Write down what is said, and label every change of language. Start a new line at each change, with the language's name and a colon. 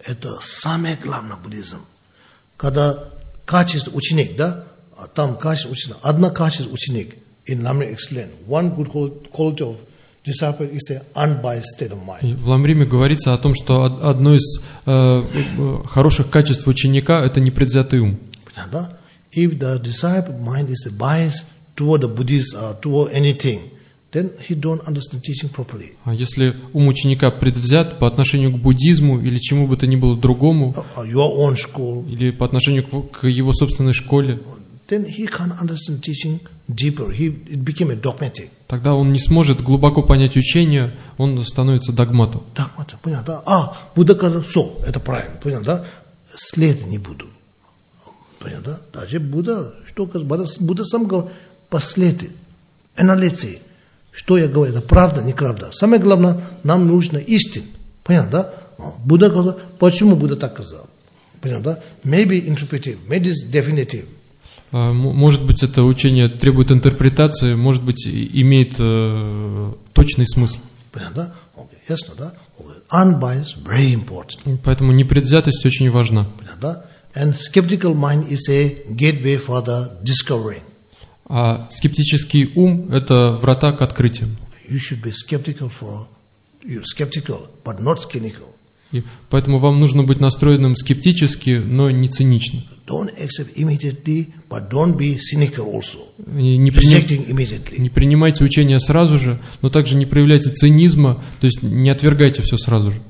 Russian: Это самое главное в буддизме. Когда качество ученик, да? Там качество ученик. Одно качество ученик.
English: In Lamrim explained, one good quality of disciple is an unbiased state of mind.
Russian: В Ламриме говорится о том, что одно из хороших качеств ученика – это непредвзятый ум. Понятно, да?
English: If the disciple mind is biased toward the Buddhist, toward anything, then he don't understand teaching properly.
Russian: А если ум ученика предвзят по отношению к буддизму или чему бы то ни было другому,
English: your own school,
Russian: или по отношению к его собственной школе,
English: then he can't understand teaching deeper. It became a dogmatic.
Russian: Тогда он не сможет глубоко понять учение, он становится догматом. Догматом, понял, да? А, Будда сказал, все, это правильно, понял, да? След не буду. Понял, да? Даже Будда, что сказал, Будда сам говорил, последы, аналитики, что я говорю, это правда, неправда. Самое главное, нам нужна истина. Понял, да? Будда сказал, почему Будда так сказал? Понял, да?
English: Maybe interpretive, maybe definitive.
Russian: Может быть, это учение требует интерпретации, может быть, имеет точный смысл. Понятно, да?
English: Okay.
Russian: Ясно, да?
English: Okay. Unbiased, very important.
Russian: Поэтому непредвзятость очень важна. Понятно, да?
English: And skeptical mind is a gateway for the discovering.
Russian: А скептический ум – это врата к открытиям.
English: You should be skeptical for you skeptical, but not cynical.
Russian: И поэтому вам нужно быть настроенным скептически, но не цинично.
English: Don't accept immediately, but don't be cynical also. Rejecting immediately.
Russian: Не принимайте учение сразу же, но также не проявляйте цинизма, то есть не отвергайте все сразу же.